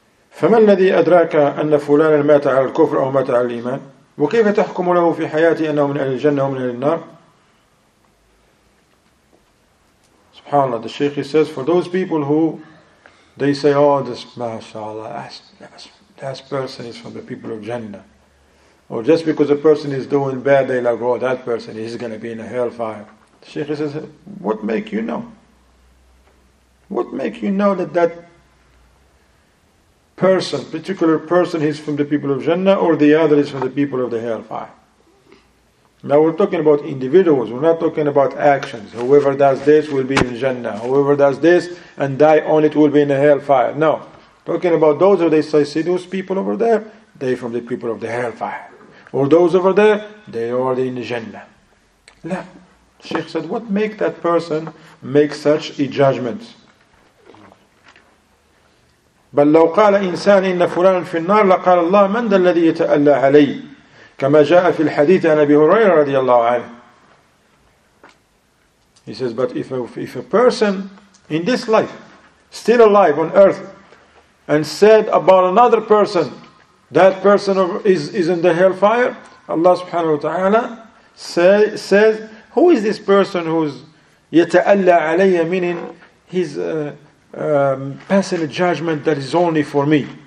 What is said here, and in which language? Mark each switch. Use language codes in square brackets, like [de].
[ar] فما الذي أدراك أن فلانا مات على الكفر أو مات على الإيمان وكيف تحكم له في حياته أنه من أهل الجنة ومن أهل النار. سبحان الله. [en] The Shaykh says, for those people who they say, oh, this mashallah, that person is from the people of Jannah, or just because a person is doing bad, they like, oh, that person is going to be in a hellfire. The Shaykh says, what make you know that person, particular person, he's from the people of Jannah, or the other is from the people of the hellfire. Now we're talking about individuals, we're not talking about actions. Whoever does this will be in Jannah. Whoever does this and die on it will be in the hellfire. No. Talking about those who they say, see those people over there, they from the people of the hellfire. Or those over there, they are in Jannah. No. Sheikh said, what make that person make such a judgment? [ar] بل لو قال إنسان إن فلان في النار لقال الله من ذا الذي يتألى علي كما جاء في الحديث عن أبي هريرة رضي الله عنه. [en] He says, but if a person in this life, still alive on earth, and said about another person, that person is in the hellfire, Allah subhanahu wa ta'ala says, who is this person who's [ar] يتألى علي, [en] meaning he's passing a judgment that is only for me.